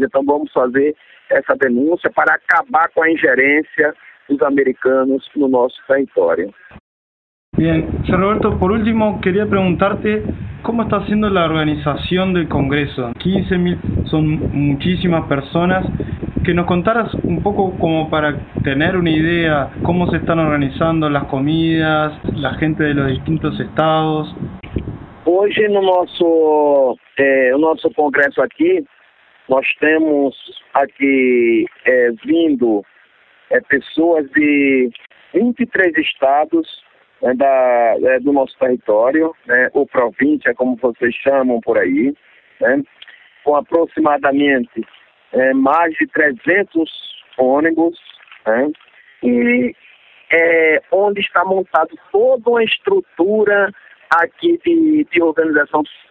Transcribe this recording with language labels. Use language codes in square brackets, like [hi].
[pt] Então, vamos fazer essa denúncia para acabar com a ingerência dos americanos no nosso território. [es] Bien, señor Roberto, por último quería preguntarte cómo está haciendo la organización del Congreso. 15.000 son muchísimas personas. Que nos contaras un poco, como para tener una idea, cómo se están organizando las comidas, la gente de los distintos estados. Hoy en nuestro Congreso aquí, nos tenemos aquí vindo personas de 23 estados. [pt] Do nosso território, né, ou província, como vocês chamam por aí, né, com aproximadamente mais de 300 ônibus, né, e onde está montada toda uma estrutura aqui de organização.